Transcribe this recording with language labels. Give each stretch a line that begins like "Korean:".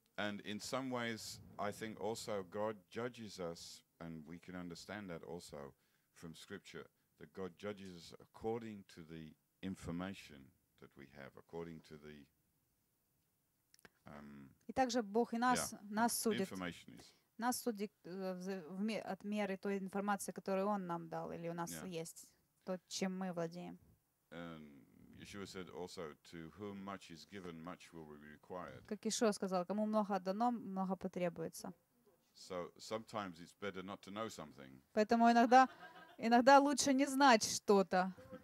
English: And in some ways, I think also God judges us, and we can understand that also from Scripture, that God judges us according to the information that we have, according to the...
Russian: И также Бог и нас,
English: yeah,
Russian: нас судит.
English: Information is.
Russian: Нас судит от меры той информации, которую Он нам дал, или у нас yeah. есть, то, чем мы владеем.
English: Yeshua said also, to whom much is given, much will be required.
Russian: Как Иешуа сказал, кому много дано, много потребуется.
English: So sometimes it's better not to know something.
Russian: Поэтому иногда лучше не знать что-то.